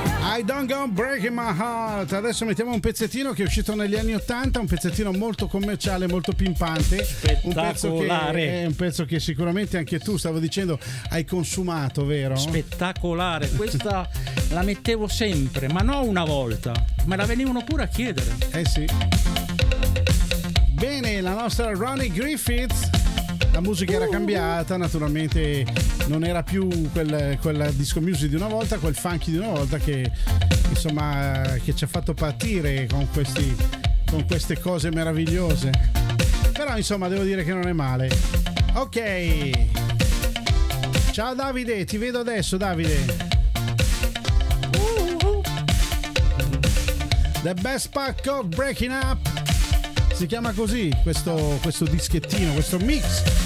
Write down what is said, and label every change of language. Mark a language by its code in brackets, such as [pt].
[en] I don't go breaking my heart. [it] Adesso mettiamo un pezzettino che è uscito negli anni 80, un pezzettino molto commerciale, molto pimpante. Spettacolare. Un pezzo che sicuramente anche tu, stavo dicendo, hai consumato, vero? Spettacolare. Questa la mettevo sempre, ma non una volta, ma la venivano pure a chiedere. Eh sì. Bene, la nostra Ronnie Griffith. La musica era cambiata, naturalmente non era più quella disco music di una volta, quel funky di una volta che insomma che ci ha fatto partire con queste cose meravigliose. Però insomma devo dire che non è male. Ok. Ciao Davide, ti vedo adesso Davide. [en] The best part of breaking up. [it] Si chiama così questo dischettino, questo mix.